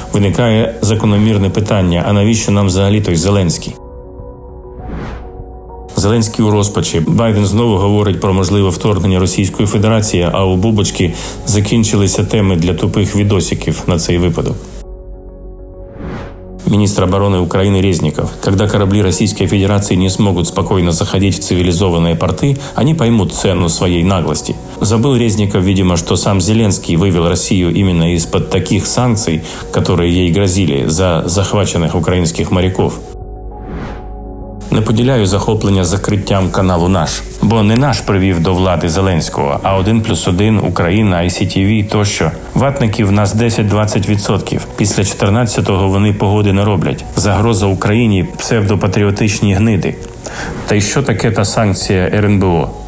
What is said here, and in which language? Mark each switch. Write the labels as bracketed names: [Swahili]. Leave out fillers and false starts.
[Ukrainian] Виникає закономірне питання, а навіщо нам взагалі той Зеленський? Зеленський у розпачі. Байден знову говорить про можливе вторгнення Російської Федерації, а у Бубочки закінчилися теми для тупих відосиків на цей випадок. Міністр оборони України Резніков. [Russian] Когда корабли Российской Федерации не смогут спокойно заходить в цивилизованные порты, они поймут цену своей наглости. Забыл Резніков, видимо, что сам Зеленский вывел Россию именно из-под таких санкций, которые ей грозили за захваченных украинских моряков. [Ukrainian] Не поділяю захоплення закриттям каналу «Наш». Бо не «Наш» привів до влади Зеленського, а 1+1, Україна, ICTV тощо. Ватників в нас 10-20%. Після 14-го вони погоди не роблять. Загроза Україні – псевдопатріотичні гниди. Та й що таке та санкція РНБО?